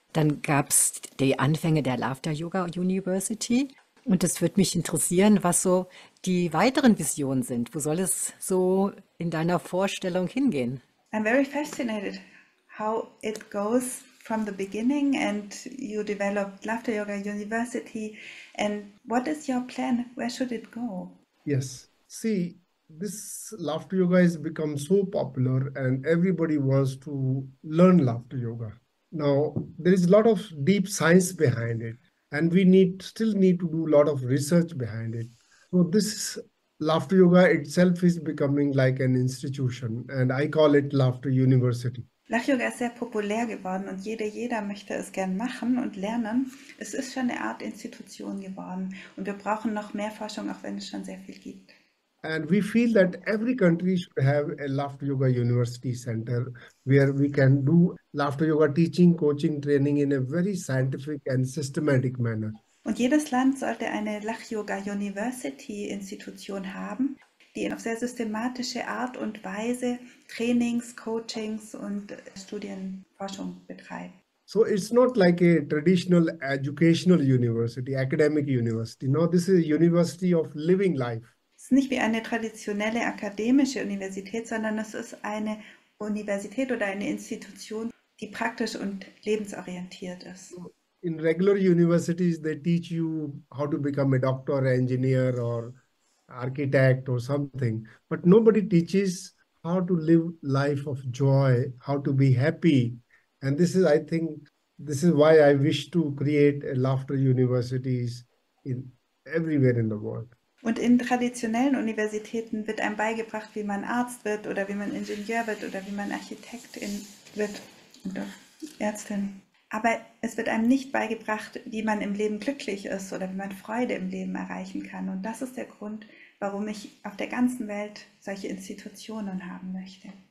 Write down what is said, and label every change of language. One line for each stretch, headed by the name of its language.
German: Dann gab es die Anfänge der Laughter Yoga University. Und es würde mich interessieren, was so die weiteren Visionen sind. Wo soll es so in deiner Vorstellung hingehen?
English: I'm very fascinated how it goes from the beginning and you developed Laughter Yoga University and what is your plan? Where should it go? Yes. See, this laughter yoga has become so popular and everybody wants to learn laughter yoga. Now, there is a lot of deep science behind it, and we still need to do a lot of research behind it. So this laughter yoga itself is becoming like an institution, and I call it laughter university.
German: Lachyoga ist sehr populär geworden und jeder möchte es gern machen und lernen. Es ist schon eine Art Institution geworden und wir brauchen noch mehr Forschung, auch wenn es schon sehr viel gibt.
English: And we feel that every country should have a laughter yoga university center where we can do laughter yoga teaching, coaching, training in a very scientific and systematic manner.
German: Und jedes Land sollte eine Lachyoga-University-Institution haben, die auf sehr systematische Art und Weise Trainings, Coachings und Studienforschung betreiben.
English: So it's not like a traditional educational university, academic university. No, this is a university of living life.
German: Es ist nicht wie eine traditionelle akademische Universität, sondern es ist eine Universität oder eine Institution, die praktisch und lebensorientiert ist.
English: In regular universities, they teach you how to become a doctor, engineer, or architect, or something. But nobody teaches how to live life of joy, how to be happy. And this is, I think, this is why I wish to create a laughter universities in everywhere in the world.
German: Und in traditionellen Universitäten wird einem beigebracht, wie man Arzt wird oder wie man Ingenieur wird oder wie man Architekt wird oder Ärztin. Aber es wird einem nicht beigebracht, wie man im Leben glücklich ist oder wie man Freude im Leben erreichen kann. Und das ist der Grund, warum ich auf der ganzen Welt solche Institutionen haben möchte.